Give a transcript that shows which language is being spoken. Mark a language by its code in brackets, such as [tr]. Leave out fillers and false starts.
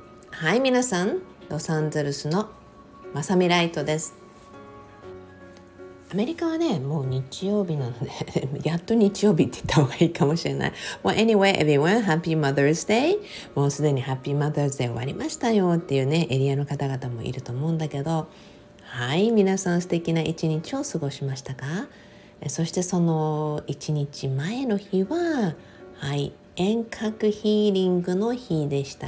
[ja] はい、皆さん、ロサンゼルスのまさみライトです。アメリカはね、もう日曜日なので、やっと日曜日って言った方がいいかもしれない。 [en] Well, anyway, everyone, Happy Mother's Day. [ja] もうすでに [en] Happy Mother's Day [ja] 終わりましたよっていうね、エリアの方々もいると思うんだけど、はい、皆さん素敵な一日を過ごしましたか？そしてその一日前の日は、はい、遠隔ヒーリングの日でした。